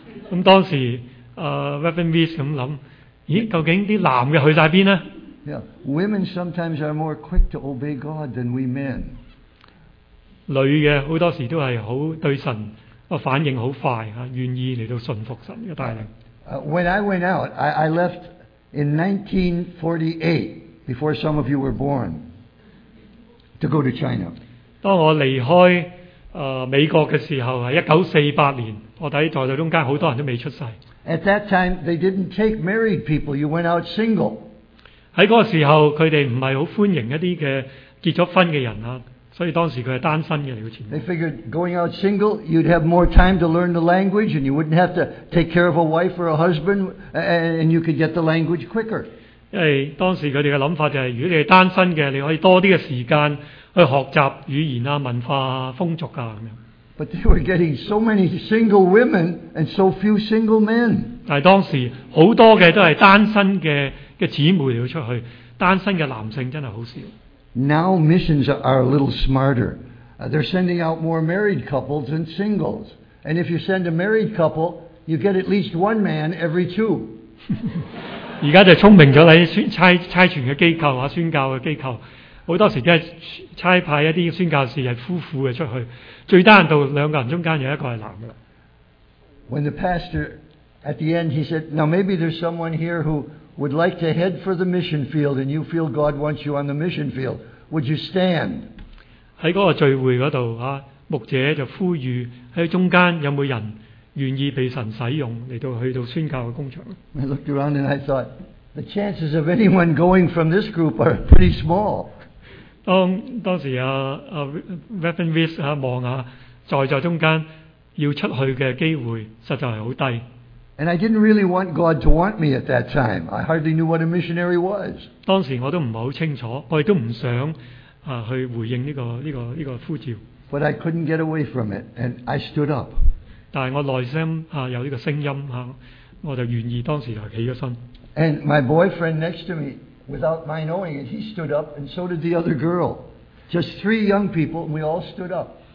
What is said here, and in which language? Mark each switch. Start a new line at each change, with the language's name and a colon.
Cantonese: 咁當時Reverend Wiss 咁諗，咦，究竟啲男嘅去曬邊咧？
English: Yeah, women sometimes are more quick to obey God than we men.
Cantonese: 女嘅好多時都係好對神個反應好快嚇，願意嚟到順服神嘅帶領。
English: When I went out, I left in 1948, before some of you were born, to go to China.
Cantonese: 當我離開。美國嘅時候係1948年，我睇在座中間好多人都未出世。
English: At that time, they didn't take married people. You went out single.
Cantonese: 喺嗰個時候，佢哋唔係好歡迎一啲嘅結咗婚嘅人啊，所以當時佢係單身嘅嚟前。
English: They figured going out single, you'd have more time to learn the language, and you wouldn't have to take care of a wife or a husband, and you could get the language quicker.
Cantonese: 因為當時佢哋嘅諗法就係，如果你係單身嘅，你可以多啲嘅時間。去學習語言啊、文化啊、風俗啊咁樣。
English: But they were getting so many single women and so few single men.
Cantonese: 但係當時好多嘅都係單身嘅姊妹要出去，單身嘅男性真係好少。
English: Now missions are a little smarter. They're sending out more married couples than singles. And if you send a married couple, you get at least one man every two.
Cantonese: 而家就聰明咗啦！差傳嘅機構啊，宣教嘅機構。好多時都係差派一啲宣教士係夫婦嘅出去，最低限度兩個人中間有一個係男嘅啦。
English: When the pastor at the end, he said, "Now maybe there's someone here who would like to head for the mission field, and you feel God wants you on the mission field. Would you stand?"
Cantonese: 喺嗰個聚會嗰度啊，牧者就呼籲喺中間有冇人願意被神使用嚟到去到宣教嘅工場。
English: I looked around and I thought the chances of anyone going from this group are pretty small.
Cantonese: 當時Reverend Wiss 望下在座中間要出去嘅機會實在係好低。
English: And I didn't really want God to want me at that time. I hardly knew what a missionary was.
Cantonese: 當時我都唔係好清楚，我亦都唔想去回應呢個呼召。
English: But I couldn't get away from it, and I stood up.
Cantonese: 但係我內心有呢個聲音我就願意當時就起咗身。
English: And my boyfriend next to me. Without my knowing it, he stood up, and so did the other girl. Just 3 young people, and we all stood up.